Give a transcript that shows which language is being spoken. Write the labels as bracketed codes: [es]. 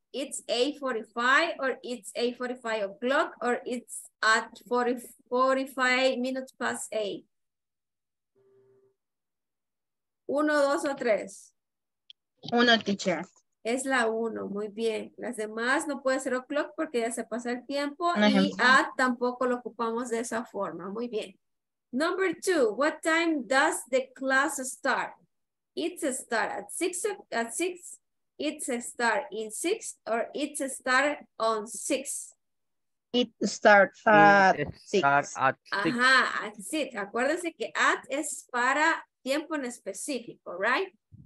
[en] It's 8:45 or it's 8:45 o'clock or it's at 45 minutes past 8. 1, 2 o 3. 1, teacher. [es] Es la 1, muy bien. Las demás no puede ser o'clock porque ya se pasa el tiempo. Y at tampoco lo ocupamos de esa forma. Muy bien. [en] Number 2, what time does the class start? It's start at 6, it's start in 6, or it's start on 6? It starts at 6. At 6. [es] Acuérdense que at es para tiempo en específico, right?